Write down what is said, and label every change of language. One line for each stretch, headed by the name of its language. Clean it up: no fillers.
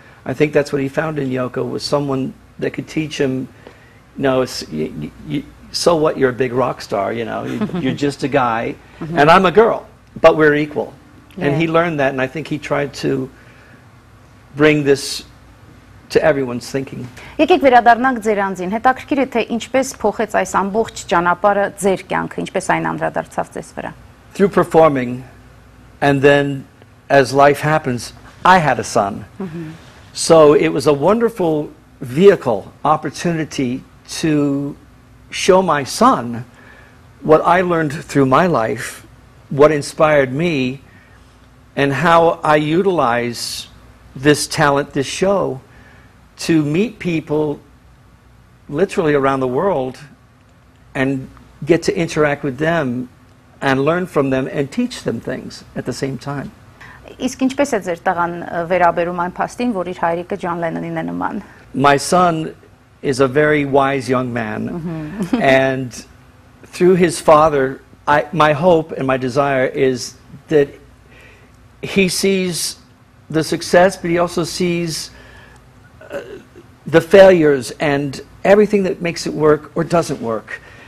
English: I think that's what he found in Yoko, was someone that could teach him, you know, so what, you're a big rock star, you know, you're just a guy, mm-hmm. and I'm a girl, but we're equal. Yeah. And he learned that, and I think he tried to bring this to everyone's thinking.
Armenian: Եկեք վերադառնանք ձեր անձին. Հետաքրքիր է, թե ինչպես փոխեց այս ամբողջ ճանապարհը ձեր կյանքը, ինչպես այն անդրադարձավ ձեզ վրա.
English: Through performing, and then as life happens, I had a son. Mm-hmm. So it was a wonderful vehicle, opportunity to show my son what I learned through my life, what inspired me, and how I utilize this talent, this show, to meet people literally around the world and get to interact with them and learn from them and teach them things at the same time.
Armenian: Իսկ ինչպես է ձեր տղան վերաբերում այն փաստին, որ իր հայրիկը Ջոն Լենոնին է նման?
English: My son is a very wise young man. Mm-hmm. And through his father, my hope and my desire is that he sees the success, but he also sees the failures and everything that makes it work or doesn't work.